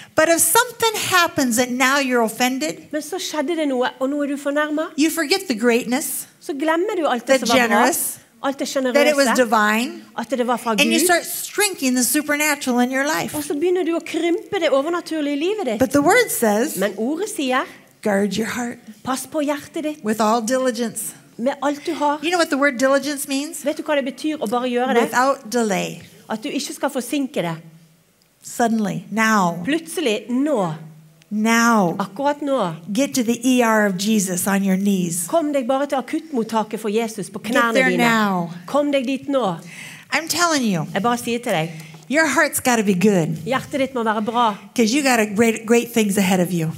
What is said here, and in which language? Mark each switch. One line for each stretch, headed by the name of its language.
English: But if something happens and now you're offended,
Norwegian: men så skjedde det noe, og nå er du fornærmet.
English: You forget the greatness.
Norwegian: Så glemmer du alt det som var bra.
English: The generous.
Norwegian: Alt det generøse,
English: that it was divine,
Norwegian: at det var fra Gud,
English: and you start shrinking the supernatural in your life.
Norwegian: Og så begynner du å krympe det overnaturlige livet ditt.
English: But the word says,
Norwegian: men ordet sier,
English: guard your heart,
Norwegian: pass på hjertet ditt,
English: with all diligence,
Norwegian: med alt du har.
English: You know what the word diligence means?
Norwegian: Vet du hva det betyr å bare gjøre det?
English: Without delay,
Norwegian: at du ikke skal forsinke det.
English: Suddenly, now,
Norwegian: plutselig, nå.
English: Now,
Norwegian: akkurat nå,
English: get to the ER of Jesus on your knees.
Norwegian: Kom deg bare til akuttmottaket for Jesus på knærne dine.
English: Get there now.
Norwegian: Kom deg dit nå.
English: I'm telling you.
Norwegian: Jeg bare sier til deg.
English: Your heart's got to be good.
Norwegian: Hjertet ditt må være bra.
English: Because you got great things ahead of you.